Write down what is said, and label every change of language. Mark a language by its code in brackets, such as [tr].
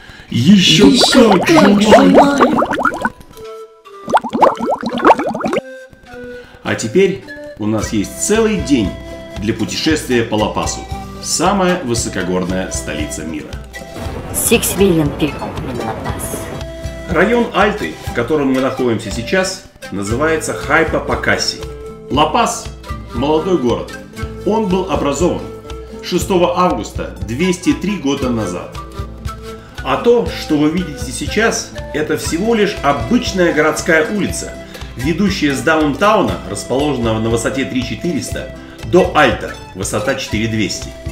[ru] Еще как желаю! А теперь у нас есть целый день для путешествия по Ла-Пасу, самая высокогорная столица мира. [en] Six million people in Ла-Пас. [ru] Район Альты, в котором мы находимся сейчас, называется Хайпа-Пакаси. Ла-Пас – молодой город. Он был образован 6 августа 203 года назад. А то, что вы видите сейчас, это всего лишь обычная городская улица, ведущая с даунтауна, расположенного на высоте 3400, до Альта, высота 4200.